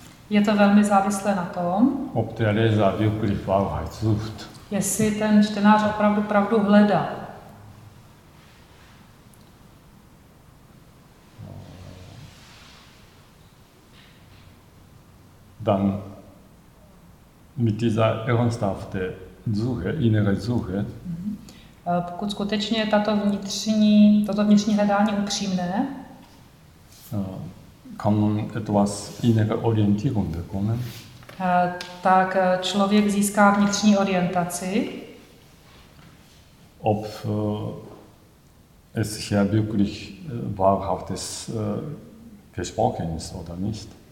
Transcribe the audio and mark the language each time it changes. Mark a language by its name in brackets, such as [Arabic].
[Czech] Je to velmi závislé na tom, [German] ob der Leser wirklich Wahrheit sucht. [Czech] Jestli ten čtenář opravdu pravdu hledá. [German] Dann mit dieser ernsthaften Suche, innere Suche. [Czech] Pokud skutečně je toto vnitřní hledání upřímné, [German] kann man etwas innere Orientierung bekommen? [Czech] Tak člověk získá vnitřní orientaci. [German] Ob es hier wirklich wahrhaftes gesprochen ist oder nicht?